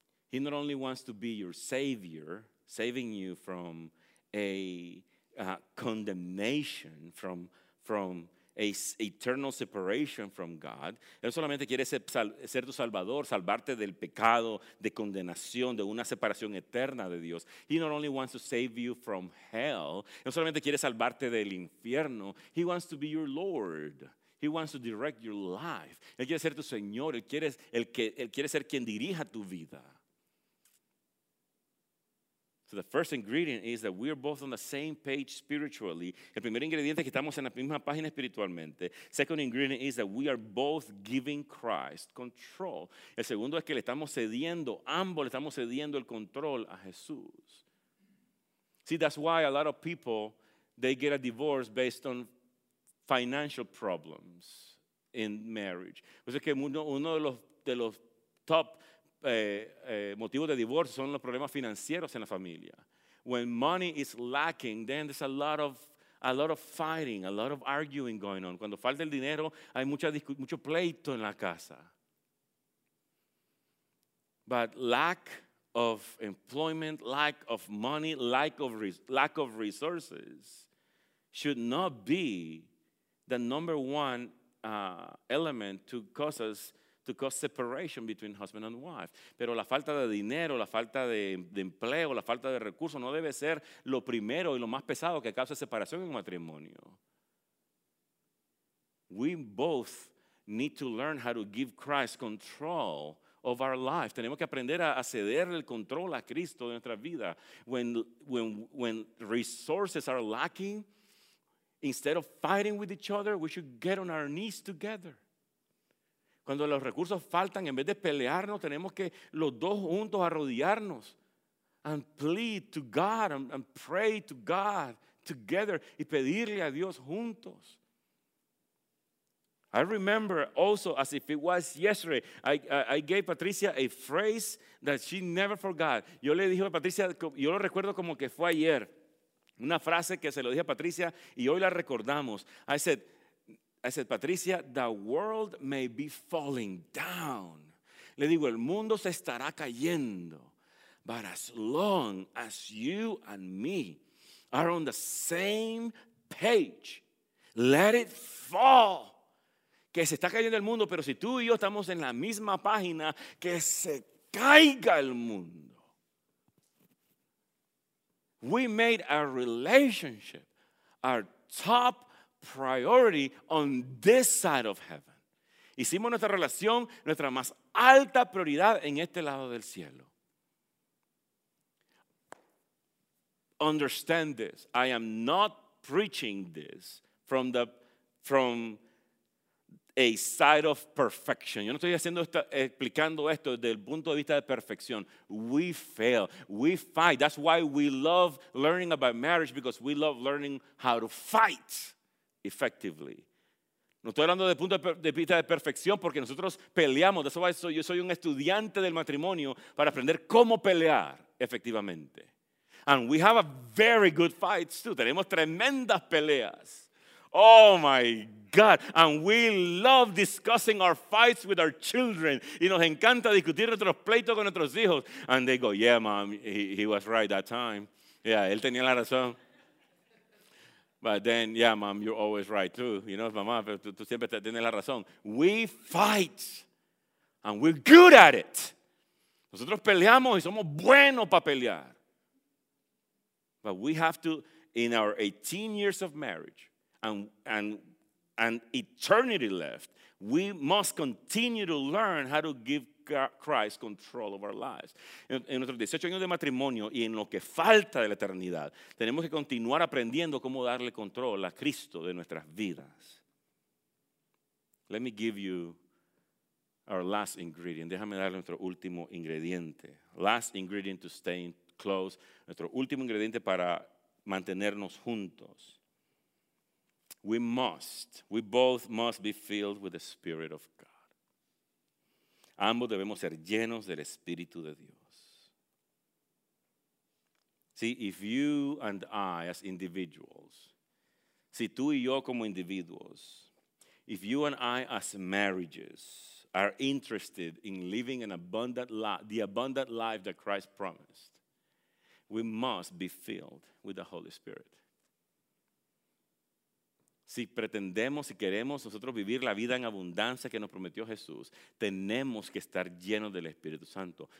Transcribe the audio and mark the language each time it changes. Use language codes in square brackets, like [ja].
[en] He not only wants to be your savior, saving you from a condemnation, from a eternal separation from God. [es] Él solamente quiere ser tu salvador, salvarte del pecado, de condenación, de una separación eterna de Dios. [en] He not only wants to save you from hell. [es] Él solamente quiere salvarte del infierno. [en] He wants to be your Lord. He wants to direct your life. [es] Él quiere ser tu Señor. Él quiere ser quien dirija tu vida. [en] So the first ingredient is that we are both on the same page spiritually. [es] El primer ingrediente es que estamos en la misma página espiritualmente. [en] Second ingredient is that we are both giving Christ control. [es] El segundo es que le estamos cediendo el control a Jesús. [en] See, that's why a lot of people, they get a divorce based on financial problems in marriage. [es] O sea que uno de los top motivos de divorcio son los problemas financieros en la familia. [en] When money is lacking, then there's a lot of fighting, a lot of arguing going on. [es] Cuando falta el dinero, hay mucho pleito en la casa. [en] But lack of employment, lack of money, lack of resources should not be the number one element to cause separation between husband and wife. [es] Pero la falta de dinero, la falta de empleo, la falta de recursos no debe ser lo primero y lo más pesado que causa separación en un matrimonio. [en] We both need to learn how to give Christ control of our life. [es] Tenemos que aprender a ceder el control a Cristo de nuestra vida. [en] When resources are lacking, instead of fighting with each other, we should get on our knees together. [es] Cuando los recursos faltan, en vez de pelearnos, tenemos que los dos juntos arrodillarnos [en] and plead to God and pray to God together [es] y pedirle a Dios juntos. [en] I remember also as if it was yesterday, I gave Patricia a phrase that she never forgot. [es] Yo le dije a Patricia, yo lo recuerdo como que fue ayer, una frase que se lo dije a Patricia y hoy la recordamos. [en] I said, Patricia, the world may be falling down. [es] Le digo, el mundo se estará cayendo. [en] But as long as you and me are on the same page, let it fall. [es] Que se está cayendo el mundo, pero si tú y yo estamos en la misma página, que se caiga el mundo. [en] We made a relationship, our top priority on this side of heaven. [es] Hicimos nuestra relación nuestra más alta prioridad en este lado del cielo. [en] Understand this. I am not preaching this from a side of perfection. [es] Yo no estoy explicando esto desde el punto de vista de perfección. [en] We fail. We fight. That's why we love learning about marriage, because we love learning how to fight effectively. [es] No estoy hablando de punto de vista de perfección, porque nosotros peleamos. [en] That's why [es] yo soy un estudiante del matrimonio, para aprender cómo pelear efectivamente. [en] And we have a very good fights too. [es] Tenemos tremendas peleas. [en] Oh my God. And we love discussing our fights with our children. [es] Y nos encanta discutir nuestros pleitos con nuestros hijos. [en] And they go, yeah, mom, he was right that time. [es] Yeah, él tenía la razón. [en] But then, yeah, mom, you're always right too. You know, [es] mamá, tú siempre tienes la razón. [en] We fight, and we're good at it. [es] Nosotros peleamos y somos buenos para pelear. [en] But we have to, in our 18 years of marriage and eternity left, we must continue to learn how to give Christ control of our lives. [es] En nuestros 18 años de matrimonio y en lo que falta de la eternidad, tenemos que continuar aprendiendo cómo darle control a Cristo de nuestras vidas. [en] Let me give you our last ingredient. [es] Déjame darle nuestro último ingrediente. [en] Last ingredient to stay close. [es] Nuestro último ingrediente para mantenernos juntos. [en] We both must be filled with the Spirit of God. [es] Ambos debemos ser llenos del Espíritu de Dios. [en] See, if you and I as individuals, [es] si tú y yo como individuos, [en] if you and I as marriages, are interested in living an abundant life, the abundant life that Christ promised, we must be filled with the Holy Spirit. [es] Si pretendemos, si queremos nosotros vivir la vida en abundancia que nos prometió Jesús, tenemos que estar llenos del Espíritu Santo.